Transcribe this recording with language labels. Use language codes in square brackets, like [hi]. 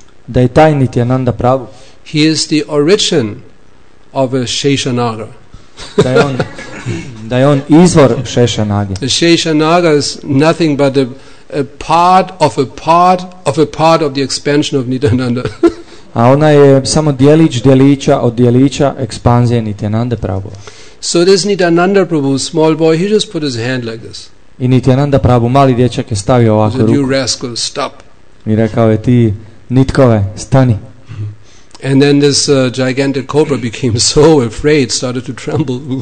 [hr] da je taj Nityananda Prabhu, [en] he is the origin of a Sheshanaga. [hr] da je on izvor Sheshanage. [en] A Sheshanaga is nothing but a part of a part of a part of the expansion of Nityananda. [hr] A ona je samo djelić djelića od djelića ekspanzije Nityananda Prabhu. [en] So this Nityananda Prabhu, small boy, he just put his hand like this. [hr] I Nityananda Prabhu, mali dječak, je stavio ovako ruku. [en] You rascal, stop. [hr] I rekao je, ti nitkove, stani. [en] And then this gigantic cobra became so afraid, started to tremble.